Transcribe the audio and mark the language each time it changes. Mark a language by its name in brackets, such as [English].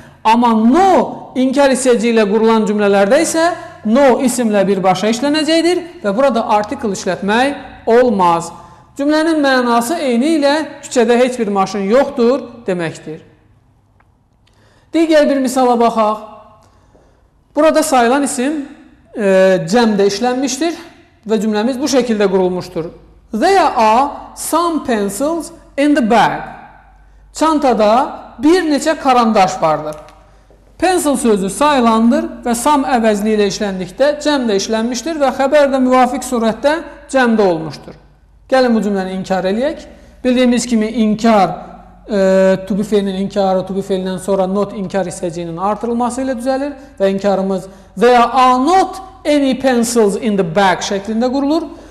[Azerbaijani] Amma no inkar hissəciyi ilə qurulan cümlələrdə isə no isimlə birbaşa işlənəcəkdir və burada artikl işlətmək olmaz. Cümlənin mənası eyni ilə küçədə heç bir maşın yoxdur deməkdir. Digər bir misala baxaq. Burada sayılan isim cəmdə işlənmişdir. Və cümləmiz bu şəkildə qurulmuşdur. [English] There are some pencils in the bag. [Azerbaijani] Çantada bir neçə karandaş vardır. Pencil sözü sayılandır və some əvəzli ilə işləndikdə cəmdə işlənmişdir və xəbər də müvafiq surətdə cəmdə olmuşdur. Gəlin bu cümləni inkar eləyək. Bildiyimiz kimi inkar, to be fiilinin inkarı, to be fiilindən sonra not inkar hissəciyinin artırılması ilə düzəlir və inkarımız [English] There are not any pencils in the bag [Azerbaijani] şəklində qurulur